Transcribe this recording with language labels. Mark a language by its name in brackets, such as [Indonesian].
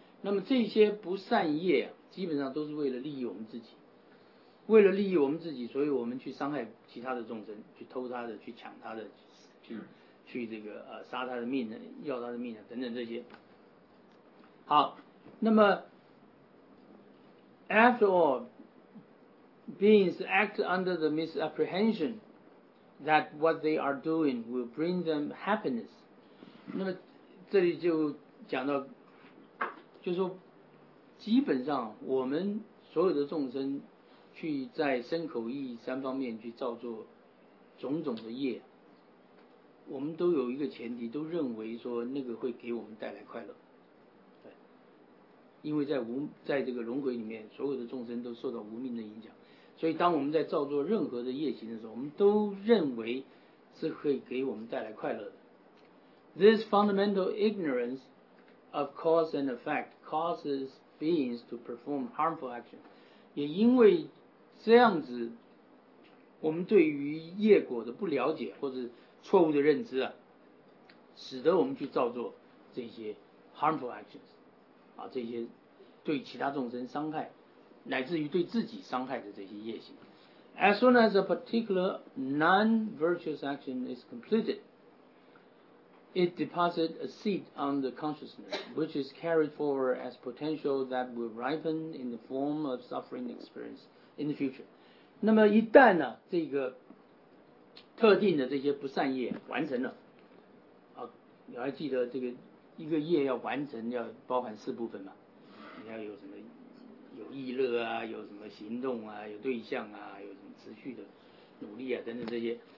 [Chinese] 那么这些不善业啊，基本上都是为了利益我们自己。为了利益我们自己，所以我们去伤害其他的众生，去偷他的，去抢他的，去这个杀他的命，要他的命等等这些。好，那么 [English] after all, beings act under the misapprehension that what they are doing will bring them happiness. [Chinese] 那么这里就讲到，就是说基本上我们所有的众生去在身口意三方面去造作种种的业，我们都有一个前提，都认为说那个会给我们带来快乐。对，因为在这个轮回里面，所有的众生都受到无明的影响，所以当我们在造作任何的业行的时候，我们都认为是会给我们带来快乐的。 [English] This fundamental ignorance of cause and effect causes beings to perform harmful action. [Chinese] 也因为这样子，我们对于业果的不了解或者错误的认知啊，使得我们去造作这些 [English] harmful actions [Chinese] 啊，这些对其他众生伤害乃至于对自己伤害的这些业行。 [English] As soon as a particular non-virtuous action is completed, it deposits a seed on the consciousness, which is carried forward as potential that will ripen in the form of suffering experience in the future. [Chinese] 那么一旦呢，这个特定的这些不善业完成了，你还记得这个一个业要完成要包含四部分吗？你要有什么有意乐啊，有什么行动啊，有对象啊，有什么持续的努力啊，等等这些。